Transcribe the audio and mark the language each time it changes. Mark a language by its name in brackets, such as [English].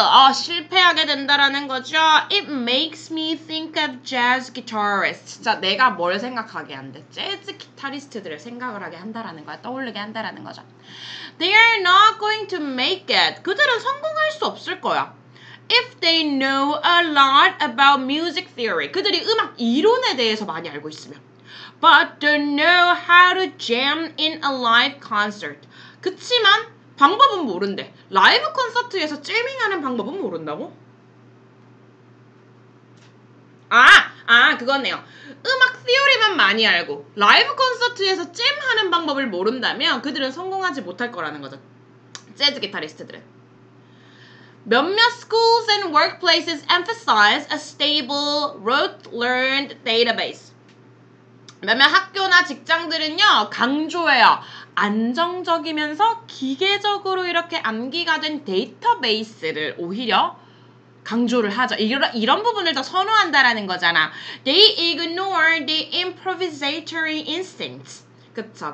[Korean] 어, 실패하게 된다라는 거죠. [English] It makes me think of jazz guitarists. [Korean] 자, 내가 뭘 생각하게 한대? 재즈 기타리스트들을 생각을 하게 한다라는 거야. 떠오르게 한다라는 거죠. [English] They are not going to make it. [Korean] 그들은 성공할 수 없을 거야. [English] If they know a lot about music theory. [Korean] 그들이 음악 이론에 대해서 많이 알고 있으면. [English] But don't know how to jam in a live concert. [Korean] 그치만 방법은 모른대. 라이브 콘서트에서 재밍하는 방법은 모른다고? 아 그거네요. 음악 theory만 많이 알고 라이브 콘서트에서 잼하는 방법을 모른다면 그들은 성공하지 못할 거라는 거죠. 재즈 기타리스트들은. 몇몇 [English] schools and workplaces emphasize a stable, rote learned database. [Korean] 몇몇 학교나 직장들은요 강조해요. 안정적이면서 기계적으로 이렇게 암기가 된 데이터베이스를 오히려 강조를 하죠. 이런 부분을 더 선호한다라는 거잖아. [English] They ignore the improvisatory instincts. 그쵸.